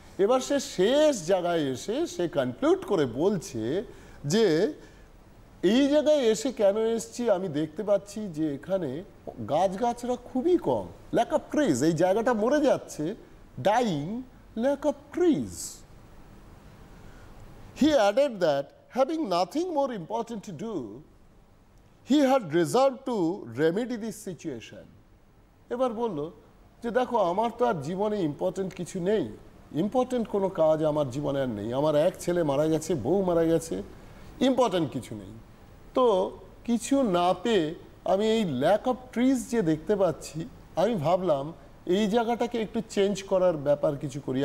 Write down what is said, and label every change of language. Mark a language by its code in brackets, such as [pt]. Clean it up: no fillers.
[bn] এবার সে শেষ জায়গায় এসে সে কনক্লুড করে বলছে যে এই জায়গায় এসে কেন এসছি, আমি দেখতে পাচ্ছি যে এখানে গাছগাছরা খুবই কম, [en] lack of trees, [bn] এই জায়গাটা মরে যাচ্ছে, dyeing, lack of trees. [en] He added that, having nothing more important to do, he had resolved to remedy this situation. [bn] এবার বললো যে দেখো আমার তো আর জীবনে ইম্পর্টেন্ট কিছু নেই, ইম্পর্টেন্ট কোনো কাজ আমার জীবনে আর নেই, আমার এক ছেলে মারা গেছে, বউ মারা গেছে, ইম্পর্টেন্ট কিছু নেই, তো কিছু না পেয়ে আমি এই [en] lack of trees [bn] যে দেখতে পাচ্ছি, আমি ভাবলাম এই জায়গাটাকে একটু চেঞ্জ করার ব্যাপার কিছু করি।